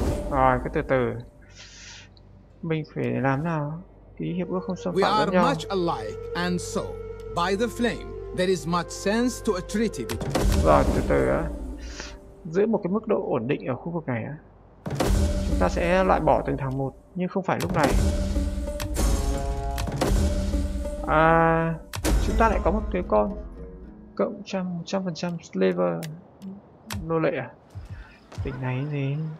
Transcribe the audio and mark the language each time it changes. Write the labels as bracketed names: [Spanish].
[Vietnamese] Rồi, cứ từ từ. Mình phải làm nào ký hiệp ước không xâm phạm lẫn nhau. [English] We are much alike, and so by the flame, there is much sense to a treaty between. [Vietnamese] Rồi, từ từ á. Giữ một cái mức độ ổn định ở khu vực này á. Chúng ta sẽ loại bỏ từng thằng một, nhưng không phải lúc này. À, chúng ta lại có một cái con cộng 100% slaver nô lệ à? Tình này gì?